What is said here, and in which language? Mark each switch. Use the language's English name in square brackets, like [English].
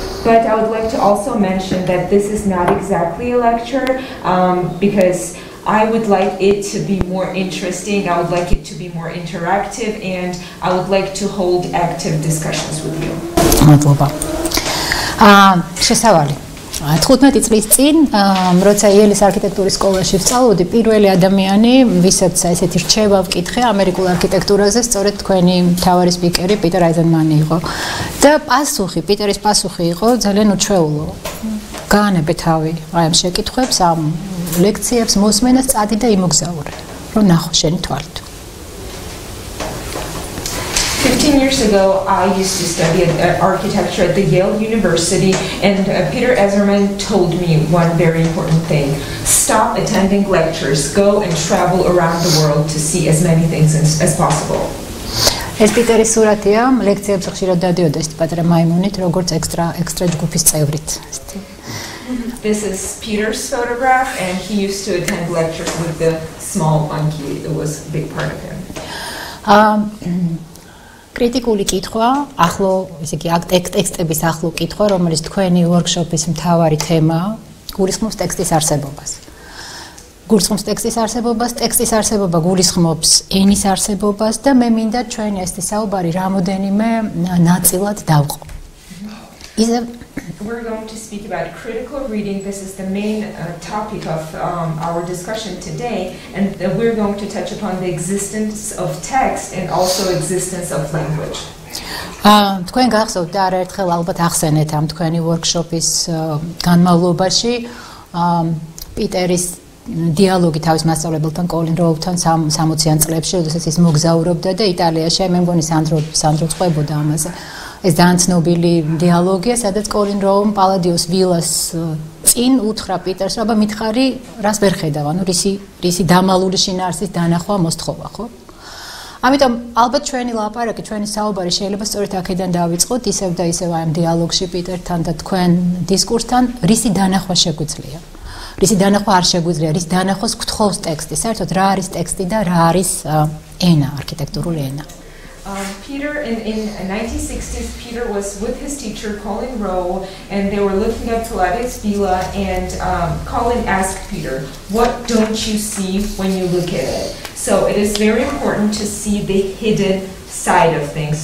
[English] But I would like to also mention that this is not exactly a lecture because I would like it to be more interesting, I would like it to be more interactive, and I would like to hold active discussions with you. [Georgian] Madloba. Shesavali. 15 წლის წინ, როცა იელის არქიტექტურის სკოლაში ვსწავლობდი, პირველი ადამიანი, ვისაც ესეთი რჩევა ვკითხე ამერიკულ არქიტექტურაზე, სწორედ თქვენი მთავარი სპიკერი პიტერ აიზენმანი იყო. და პასუხი, პიტერის პასუხი იყო ძალიან უჩვეულო. განებე თავი აი ამ შეკითხვებს, ამ ლექციებს, მოსმენას წადი და იმოგზაური, რომ ნახო შენი თვალით. [English] 15 years ago, I used to study architecture at the Yale University, and Peter Ezerman told me one very important thing. Stop attending lectures, go and travel around the world to see as many things as possible. [Georgian] ეს პიტერის სურათია, ლექციებს ხშირად დადიოდა ეს პატარა მაიმუნით, როგორც ექსტრა ჯგუფის წევრით. [English] This is Peter's photograph, and he used to attend lectures with the small monkey. It was a big part of him. [Georgian] კრიტიკული კითხვა, ახლო, ესე იგი, ტექსტების ახლო კითხვა, რომელიც თქვენი ვორკშოპის მთავარი თემაა, გულისხმობს ტექსტის არსებობას. გულისხმობს ტექსტის არსებობას, ტექსტის არსებობა გულისხმობს ენის არსებობას და მე მინდა ჩვენი ეს საუბარი რამოდენიმე ნაწილად დავყო. [English] We're going to speak about critical reading. This is the main topic of our discussion today, and we're going to touch upon the existence of text and also existence of language. [Georgian] თქვენ გახსოვთ და არაერთხელ ალბათ ახსენეთ ამ თქვენი ვორკშოპის განმავლობაში პიტერის დიალოგი თავის მასწავლებელთან კოლინ როუთან 60-იან წლებში, როდესაც ის მოგზაურობდა და იტალიაში, მე მგონი სანდრო წყვებოდა ამაზე. ეს ძალიან ცნობილი დიალოგია, სადაც კოლინ როუმ პალადიოს ვილას წინ უთხრა პიტერს, აბა მითხარი, რას ვერ ხედავ, ანუ რისი დამალული შინაარსის დანახვა მოსთხოვა, ხო? ამიტომ ალბათ ჩვენი ლაპარაკი, ჩვენი საუბარი შეიძლება სწორედ აქედან დავიწყოთ, ისევ და ისევ ამ დიალოგში პიტერთან და თქვენ დისკურსთან, რისი დანახვა შეგვიძლია? რისი დანახვა არ შეგვიძლია? რის დანახოს გვთხოვს ტექსტი? საერთოდ რა არის ტექსტი და რა არის ენა, არქიტექტურული ენა? [English] Peter in 1960s, Peter was with his teacher Colin Rowe, and they were looking up to Ladis Villa, and Colin asked Peter, "What don't you see when you look at it?" So it is very important to see the hidden side of things.